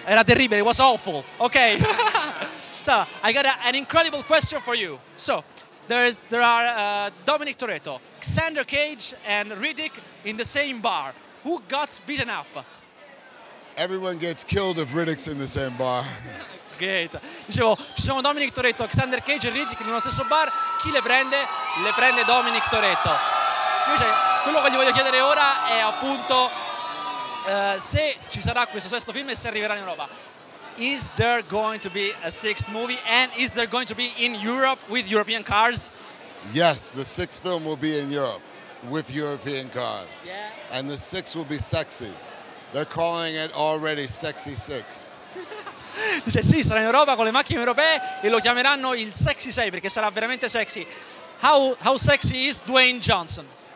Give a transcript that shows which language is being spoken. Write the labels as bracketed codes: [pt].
[it] Era terribile, [en] it was awful. Okay. So, I got an incredible question for you. So, there are Dominic Toretto, Xander Cage and Riddick in the same bar. Who got beaten up? Everyone gets killed if Riddick's in the same bar. Great. [it] Dicevo, ci sono Dominic Toretto, Xander Cage e Riddick nello stesso bar. Chi le prende? Le prende Dominic Toretto. Invece, quello che gli voglio chiedere ora è appunto se ci sarà questo sesto film e se arriverà in Europa. [en] Is there going to be a sixth movie? And is there going to be in Europe with European cars? Yes, the sixth film will be in Europe with European cars. Yeah. And the sixth will be sexy. They're calling it already Sexy Six. [it] Dice sì, sarà in Europa con le macchine europee e lo chiameranno il Sexy 6 perché sarà veramente sexy. [en] How sexy is Dwayne Johnson?